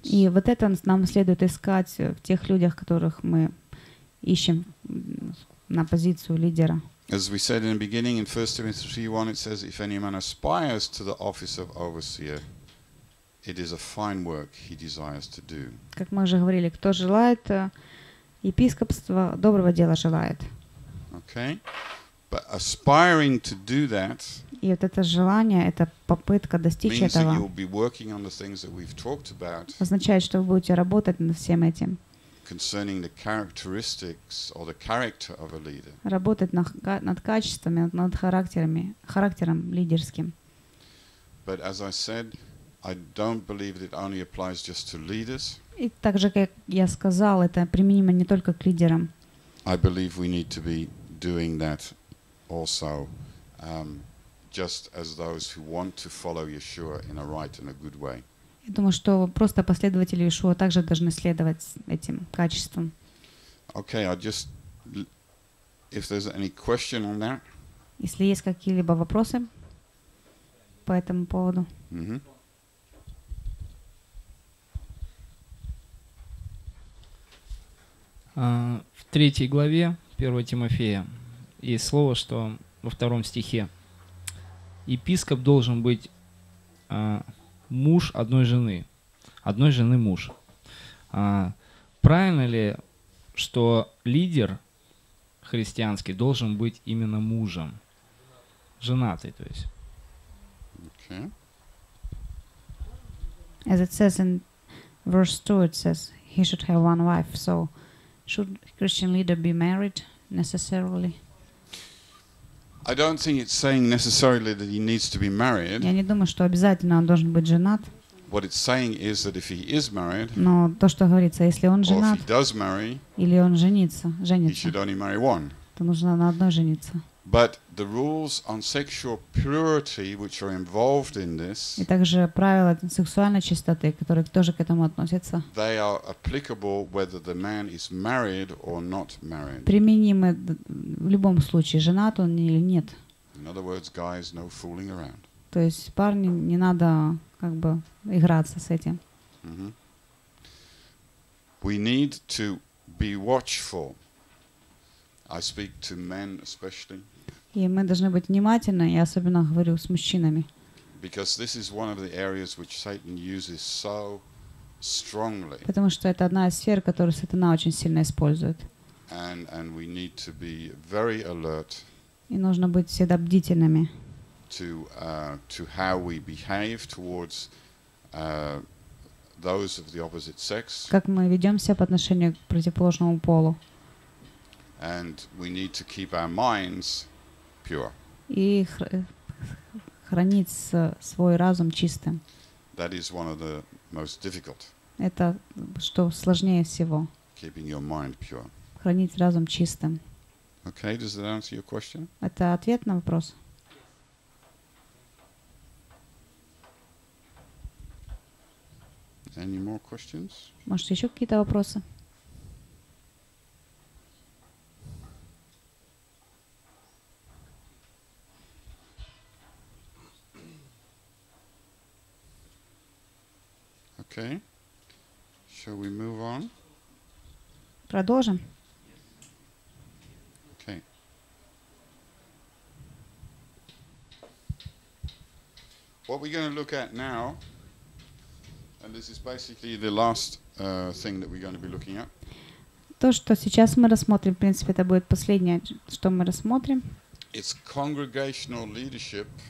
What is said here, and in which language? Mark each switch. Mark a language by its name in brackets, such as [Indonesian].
[Russian] И вот это нам следует искать в тех людях, которых мы ищем на позицию лидера. [English] As we said in the beginning, in 1 Timothy 3:1, it says, if any man aspires to the office of overseer, it is a fine work he desires to do. [Russian] Как мы уже говорили, кто желает епископства, доброго дела желает. [English] Okay. But aspiring to do that. [Russian] И вот это желание, это попытка достичь [English] means [Russian] этого. [English] Means you'll be working on the things that we've talked about. [Russian] Означает, что вы будете работать над всем этим. [English] Concerning the characteristics or the character of a leader. [Russian] Работать над качествами, над характером лидерским. [English] But as I said, I don't believe that it only applies just to leaders. [Russian] И так же, как я сказал, это применимо не только к лидерам. [English] I believe we need to be doing that also just as those who want to follow Yeshua in a right and a good way. [Russian] Я думаю, что просто последователи Иешуа также должны следовать этим качествам. [English] Okay, I just if there's any question on that. [Russian] Если есть какие-либо вопросы по этому поводу. Mm-hmm. В 3 главе 1 Тимофея есть слово, что во 2 стихе епископ должен быть муж одной жены муж. Правильно ли, что лидер христианский должен быть именно мужем, женатый, то есть? [English] Okay. As it says in verse 2, it says he should have one wife, so should Christian leader be married necessarily? I don't think it's saying necessarily that he needs to be married. [Russian] Я не думаю, что обязательно он должен быть женат. [English] What it's saying is that if he is married. [Russian] Но то, что говорится, если он женат. [English] Or if he does marry. [Russian] Или он женится. [English] He should only marry one. [Russian] То нужно на одной жениться. [English] But the rules on sexual purity, which are involved in this. [Russian] И также правила сексуальной чистоты, которые тоже к этому относятся. [English] They are applicable whether the man is married or not married. [Russian] Применимы в любом случае, женат он или нет. [English] In other words, guys, no fooling around. [Russian] То есть парни, не надо как бы играться с этим. [English] Mm-hmm. We need to be watchful. I speak to men especially. [Russian] И мы должны быть внимательны, я особенно говорю с мужчинами. [English] Because this is one of the areas which Satan uses so strongly. [Russian] Потому что это одна из сфер, которую сатана очень сильно использует. [English] And we need to be very alert. [Russian] И нужно быть всегда бдительными. [English] To how we behave towards those of the opposite sex. [Russian] Как мы ведём себя по отношению к противоположному полу. [English] And we need to keep our minds pure. [Russian] И хранить свой разум чистым. [English] That is one of the most difficult. [Russian] Это что сложнее всего. [English] Keeping your mind pure. [Russian] Хранить разум чистым. [English] Okay, does that answer your question? [Russian] Это ответ на вопрос. [English] Any more questions? [Russian] Может, еще какие-то вопросы? [English] Okay. Shall we move on? [Russian] Продолжим. [English] Okay. What we're going to look at now, and this is basically the last thing that we're going to be looking at. [Russian] То, что сейчас мы рассмотрим, в принципе, это будет последнее, что мы рассмотрим. [English] It's congregational leadership